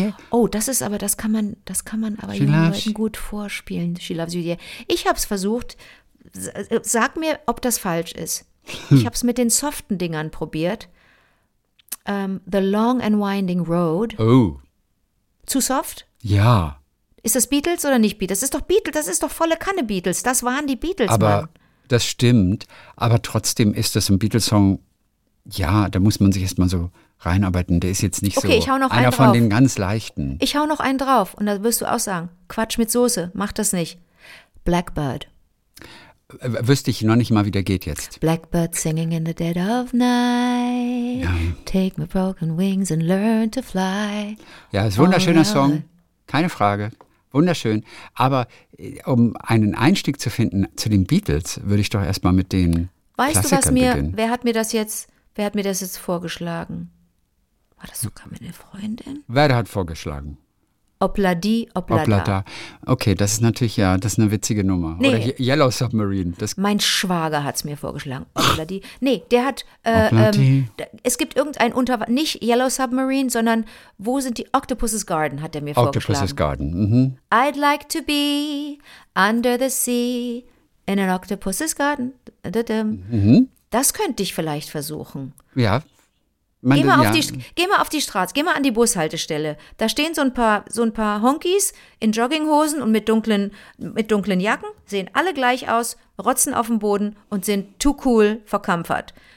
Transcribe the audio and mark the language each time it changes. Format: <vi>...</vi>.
<de>Oh, das ist aber, das kann man aber jungen Leuten gut vorspielen.</de> <en>She loves you, yeah.</en> <de>Ich hab's versucht. Sag mir, ob das falsch ist. Ich hab's mit den soften Dingern probiert.</de> <en>The Long and Winding Road. Oh.</en> <de>Zu soft? Ja. Ist das Beatles oder nicht Beatles? Das ist doch Beatles, das ist doch volle Kanne Beatles. Das waren die Beatles, aber Mann. Das stimmt, aber trotzdem ist das ein Beatles-Song, ja, da muss man sich erstmal so reinarbeiten. Der ist jetzt nicht okay, so ich hau noch einer einen drauf. Von den ganz leichten. Ich hau noch einen drauf und da wirst du auch sagen, Quatsch mit Soße, mach das nicht.</de> <en>Blackbird.</en> <de>Wüsste ich noch nicht mal, wie der geht jetzt.</de> <en>Blackbird singing in the dead of night.</en> <de>Ja.</de> <en>Take my broken wings and learn to fly.</en> <de>Ja, ist ein wunderschöner Song. Keine Frage. Wunderschön. Aber um einen Einstieg zu finden zu den Beatles, würde ich doch erstmal mit den Weißt Klassikern du, was mir, beginnen. Wer hat mir das jetzt vorgeschlagen? War das sogar meine Freundin? Wer hat vorgeschlagen? Obladi, Oblada. Oblada. Okay, das ist natürlich, ja, das ist eine witzige Nummer. Nee. Oder Yellow Submarine. Das mein Schwager hat es mir vorgeschlagen. Obladi. Nee, der hat, es gibt irgendein Unterwasser, nicht Yellow Submarine, sondern wo sind die, Octopus's Garden hat er mir</de> <en>Octopus's</en> <de>vorgeschlagen.</de> <en>Octopus's Garden, I'd like to be under the sea in an Octopus's Garden.</en> <de>Das könnte ich vielleicht versuchen. Ja. Geh mal auf die Straße, geh mal an die Bushaltestelle. Da stehen so ein paar Honkys in Jogginghosen und mit dunklen Jacken, sehen alle gleich aus, rotzen auf dem Boden und sind too cool verkampfert.</de>